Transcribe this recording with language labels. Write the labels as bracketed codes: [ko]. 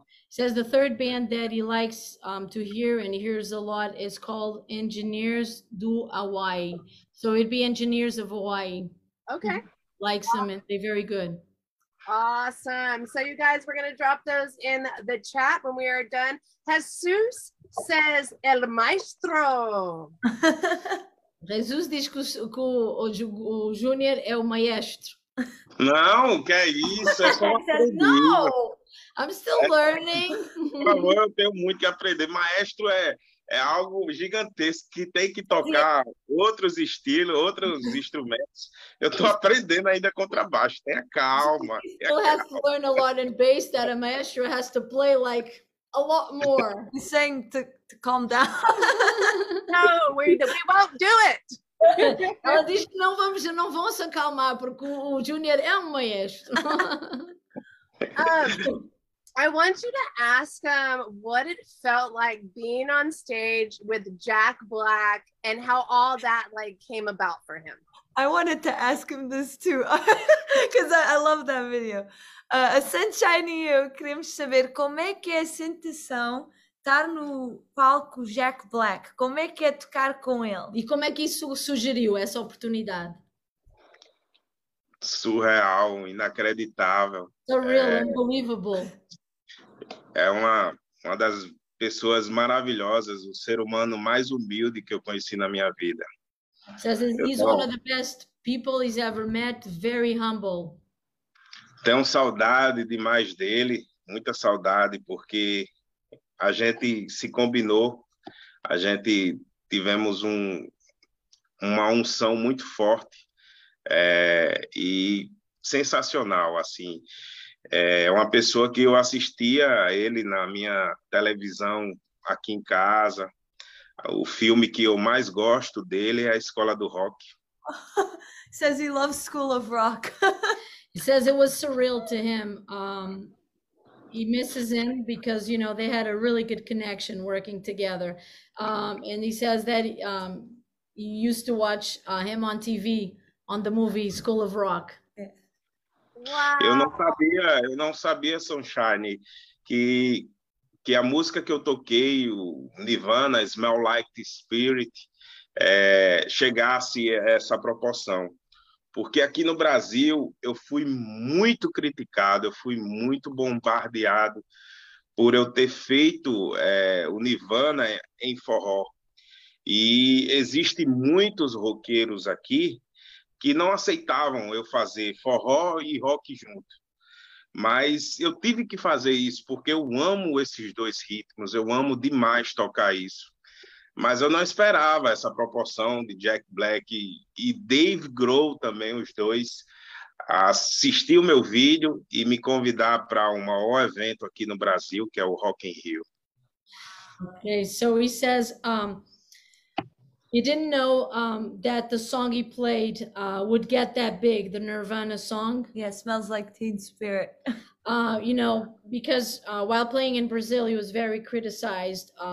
[en] He says the third band that he likes to hear and hears a lot is called Engineers do Hawaii. So it'd be Engineers of Hawaii. Okay. Likes awesome. Them and they're very good. Awesome. So you guys, we're going to drop those in the chat when we are done. Jesus says El Maestro. [pt] Jesus diz que o Junior é o maestro. Não, que é isso? É só [en] says, no, I'm still learning. [pt] Por favor, eu tenho muito que aprender. Maestro é algo gigantesco que tem que tocar outros estilos, outros instrumentos. Eu estou aprendendo ainda contrabaixo. Tenha calma. [en] He still has to learn a lot in bass that a maestro has to play like a lot more. He's saying to calm down. No, we won't do it. [pt] Ela diz que não vão se acalmar porque o Junior é um maestro. [en] I want you to ask him what it felt like being on stage with Jack Black and how all that like came about for him. I wanted to ask him this too because I love that video. [pt] A Sunshine e eu queremos saber como é que é a sensação estar no palco Jack Black, como é que é tocar com ele? E como é que isso sugeriu essa oportunidade? Surreal, inacreditável. [en] Surreal, unbelievable. [pt] É uma das pessoas maravilhosas, o ser humano mais humilde que eu conheci na minha vida. [en] Says he's one of the best people he's ever met, very humble. [pt] Tenho saudade demais dele, muita saudade, porque... A gente se combinou, a gente tivemos uma unção muito forte e sensacional, assim. É uma pessoa que eu assistia ele na minha televisão aqui em casa. O filme que eu mais gosto dele é A Escola do Rock. [en] Says he loves School of Rock. He says it was surreal to him. He misses him because, you know, they had a really good connection working together. And he says that he used to watch him on TV, on the movie School of Rock. Wow. [pt] Eu não sabia, Sunshine, que a música que eu toquei, o Nirvana, Smell Like the Spirit, chegasse a essa proporção. Porque aqui no Brasil eu fui muito criticado, eu fui muito bombardeado por eu ter feito o Nirvana em forró. E existem muitos roqueiros aqui que não aceitavam eu fazer forró e rock junto. Mas eu tive que fazer isso, porque eu amo esses dois ritmos, eu amo demais tocar isso. Mas eu não esperava essa proporção de Jack Black e Dave Grohl também, os dois, assistir o meu vídeo e me convidar para um maior evento aqui no Brasil, que é o Rock in Rio. [en] Okay, so he says he didn't know that the song he played would get that big, the Nirvana song. Yeah, Smells Like Teen Spirit. You know, because while playing in Brazil, he was very criticized.